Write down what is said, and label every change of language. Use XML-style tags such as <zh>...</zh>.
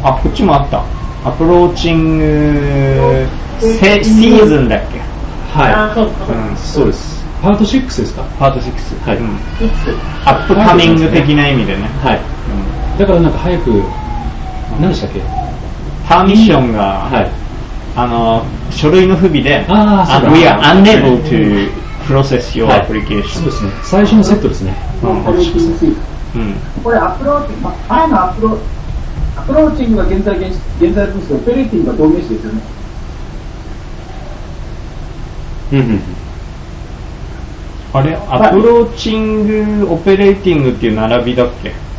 <ja>あ、こっちもあった、アプローチングシーズンだっけ、はい、うん、そうです、パート6ですか。パート6、はい、うん、アップカミング的な意味でね、はい、うん、だからなんか早く、何でしたっけ、パーミッションが、はい、あの書類の不備で、ああ、</ja> <en>We are unable to process your application、はい、</en> <ja>そうですね、最初のセットですね、うん、これアプローチ、前のアプローチングが現在分子、オペレーティングが同名詞ですよね、うんうん、あれアプローチング、オペレーティングっていう並びだっけ。</ja>